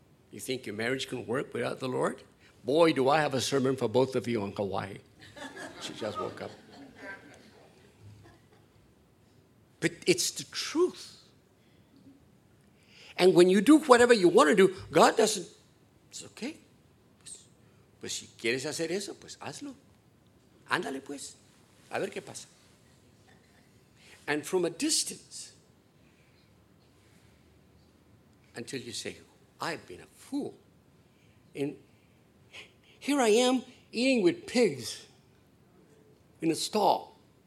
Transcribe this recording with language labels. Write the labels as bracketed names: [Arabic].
[English] You think your marriage can work without the Lord? Boy, do I have a sermon for both of you on Hawaii. She just woke up. But it's the truth. And when you do whatever you want to do, God doesn't. It's okay. [Spanish] Pues si quieres hacer eso, pues hazlo. Ándale pues. A ver qué pasa. [English] And from a distance, until you say, I've been a fool. And here I am eating with pigs in a stall.